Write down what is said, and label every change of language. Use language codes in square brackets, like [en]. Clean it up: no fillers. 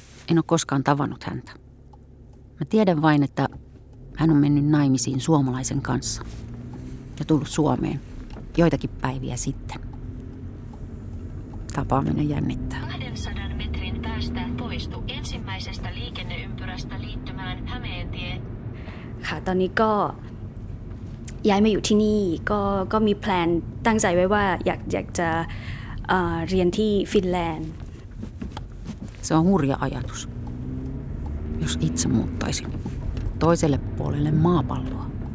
[fi] En ole koskaan tavannut häntä. Mä tiedän vain, että hän on mennyt naimisiin suomalaisen kanssa ja tullut Suomeen joitakin päiviä sitten. Tapaaminen jännittää. 200 metrin päästä poistu ensimmäisestä liikenneympyrästä liittymään Hämeentie. [th] ค่ะตอนนี้ก็ ย้ายมาอยู่ที่นี่ก็มีแพลนตั้งใจไว้ว่าอยากจะเรียนที่ฟินแลนด์ [fi] Se on hurja ajatus, jos itse muuttaisin toiselle puolelle maapalloa.